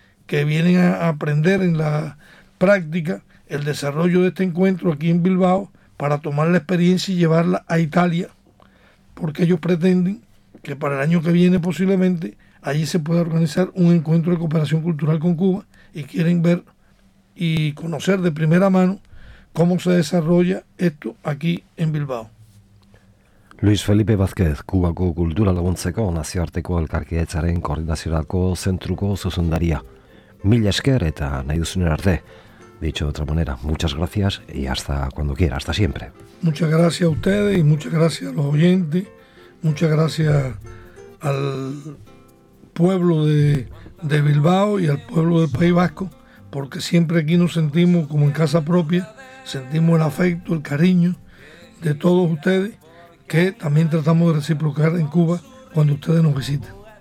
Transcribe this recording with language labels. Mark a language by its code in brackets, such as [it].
[es] que vienen a aprender en la práctica el desarrollo de este encuentro aquí en Bilbao para tomar la experiencia y llevarla a Italia, porque ellos pretenden que para el año que viene posiblemente allí se pueda organizar un encuentro de cooperación cultural con Cuba y quieren ver y conocer de primera mano cómo se desarrolla esto aquí en Bilbao. [eu] Luis Felipe Vázquez, Cubako kultura laguntzeko nazioarteko elkarkidetzaren koordinaziorako zentruko zuzendaria. Mila esker eta nahi duzunen arte. [es] Dicho de otra manera, muchas gracias y hasta cuando quiera, hasta siempre. Muchas gracias a ustedes y muchas gracias a los oyentes, muchas gracias al pueblo de Bilbao y al pueblo del País Vasco, porque siempre aquí nos sentimos como en casa propia, sentimos el afecto, el cariño de todos ustedes, que también tratamos de reciprocar en Cuba cuando ustedes nos visitan.